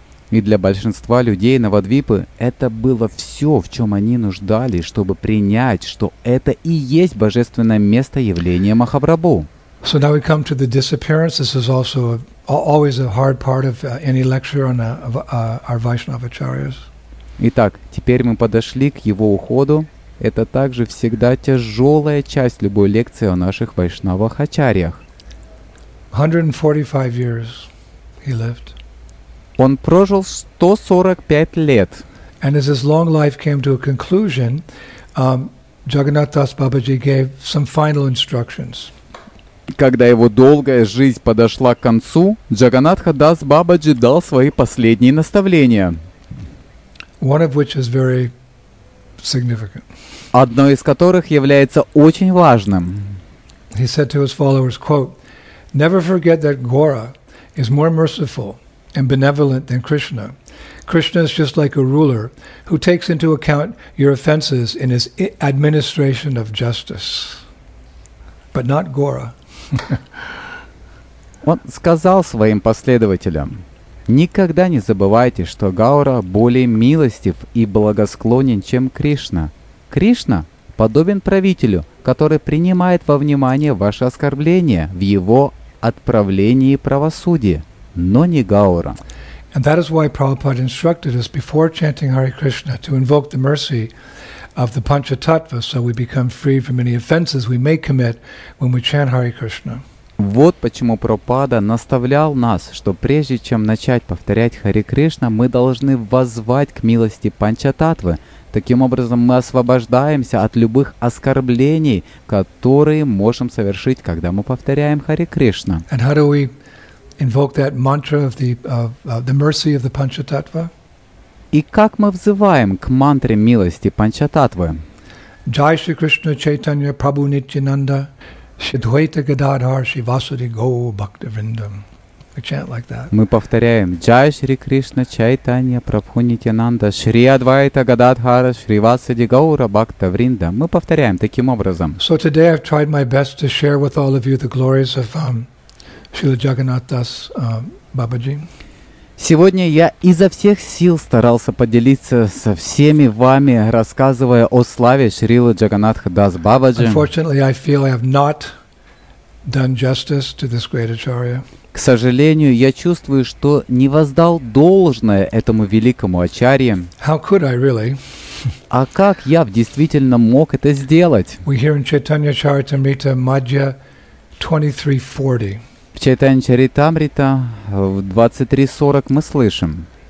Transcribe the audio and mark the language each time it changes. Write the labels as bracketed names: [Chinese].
[Russian] И для большинства людей Навадвипы это было все, в чем они нуждались, чтобы принять, что это и есть божественное место явления Махапрабху. [English] So now we come to the disappearance. This is also always a hard part of any lecture on our Vaishnava acharyas. [Russian] Итак, теперь мы подошли к его уходу. Это также всегда тяжелая часть любой лекции о наших вайшнавах ачарьях. [English] 145 years he lived. [Russian] Он прожил 145 лет. [English] And as his long life came to a conclusion, Jagannath Das Babaji gave some final instructions. [Russian] Когда его долгая жизнь подошла к концу, Джаганнатха Дас Бабаджи дал свои последние наставления. [English] One of which is very significant. [Russian] Одно из которых является очень важным. [English] He said to his followers, quote, "Never forget that Gaura is more merciful and benevolent than Krishna. Krishna is just like a ruler who takes into account your offenses in his administration of justice, but not Gaura." [Russian] Он сказал своим последователям, «Никогда не забывайте, что Гаура более милостив и благосклонен, чем Кришна. Кришна подобен правителю, который принимает во внимание ваши оскорбления в его отправлении правосудия, но не Гаура». [English] And that is why Prabhupada instructed us before chanting Hare Krishna to invoke the mercy of the Pancha Tattva, so we become free from any offenses we may commit when we chant Hare Krishna. [Russian] Вот почему Прабхупада наставлял нас, что прежде чем начать повторять Хари Кришна, мы должны воззвать к милости Панча Таттвы. Таким образом, мы освобождаемся от любых оскорблений, которые можем совершить, когда мы повторяем Хари Кришна. [English] And how do we invoke that mantra of the mercy of the Pancha Tattva? [Russian] И как мы взываем к мантре милости Панчататвы? Джай Шри Кришна Чайтанья Прабху Нитьянанда Шидхвайта Гададхар Шивасуди Гоу Бхактивриндам. [English] We chant like that. [Russian] Мы повторяем Джай Шри Кришна Чайтанья Прабху Нитьянанда Шри Адвайта Гададхар Шривасуди Гоу Бхактивриндам. Мы повторяем таким образом. [English] So today I've tried my best to share with all of you the glories of Шрила Джаганнат Дас Бабаджи. [Russian] Сегодня я изо всех сил старался поделиться со всеми вами, рассказывая о славе Шрилы Джаганнатха Дас Бабаджи. [English] Unfortunately, I feel I have not done justice to this great acharya. [Russian] К сожалению, я чувствую, что не воздал должное этому великому ачарье. [English] How could I really? [Russian] А как я в действительно мог это сделать? [English] We hear in Chaitanya Charitamrita Madhya 23:40. [Russian] В Чайтанья Чаритамрита в 23.40 мы слышим.